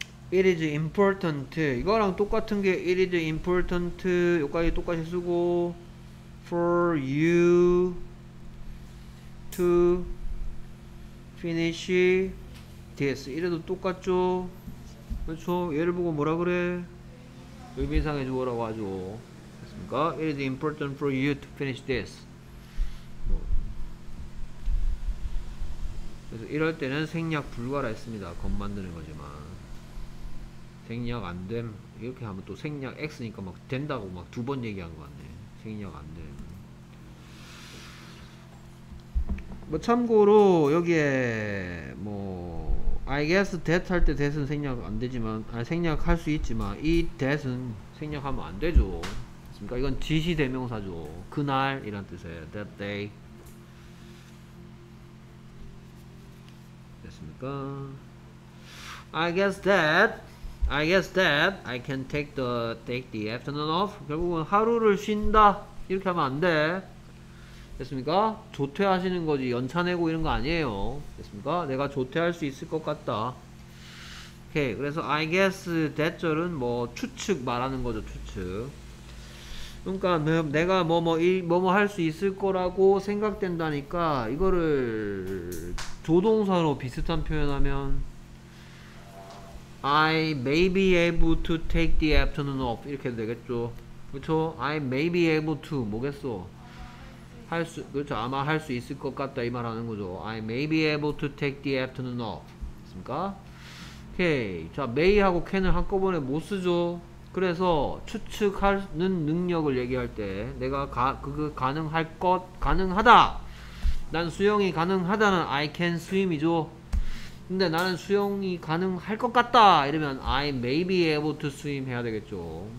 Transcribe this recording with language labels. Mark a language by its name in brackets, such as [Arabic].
[Korean] 이거랑 똑같은 게 [English] It is important [Korean] 여기까지 똑같이 쓰고 [English] For you to finish this [Korean] 이래도 똑같죠. 그렇죠. 얘를 보고 뭐라 그래? 의미상의 주어라고 하죠. [English] It is important for you to finish this. [Korean] 뭐. 그래서 이럴 때는 생략 불가라 했습니다. 겉 만드는 거지만 생략 안 됨. 이렇게 하면 또 생략 X니까 막 된다고 막 두 번 얘기한 거 같네. 생략 안 됨. 뭐 참고로 여기에 뭐 [English] I guess that [Korean] 할 때 that은 생략 안 되지만 아니 생략할 수 있지만 이 that은 생략하면 안 되죠. 그니까 이건 지시 대명사죠. 그날 이란 뜻이에요. [English] That day. [Korean] 됐습니까? [English] I guess that I can take the afternoon off. [Korean] 결국은 하루를 쉰다 이렇게 하면 안 돼. 됐습니까? 조퇴하시는 거지 연차 내고 이런 거 아니에요. 됐습니까? 내가 조퇴할 수 있을 것 같다. 오케이. 그래서 [English] I guess that [Korean] 절은 뭐 추측 말하는 거죠. 추측. 그러니까 내가 뭐뭐 할 수 있을 거라고 생각된다니까 이거를 조동사로 비슷한 표현하면 [English] I may be able to take the afternoon off. [Korean] 이렇게 해도 되겠죠. 그렇죠? [English] I may be able to. [Korean] 뭐겠어? 할 수, 그렇죠. 아마 할 수 있을 것 같다. 이 말 하는 거죠. [English] I may be able to take the afternoon off. [Korean] 됐습니까? 오케이. 자, may하고 can을 한꺼번에 못 쓰죠. 그래서 추측하는 능력을 얘기할 때 내가 그거 가능할 것, 가능하다. 난 수영이 가능하다는 [English] I can swim [Korean] 이죠. 근데 나는 수영이 가능할 것 같다 이러면 [English] I may be able to swim [Korean] 해야 되겠죠.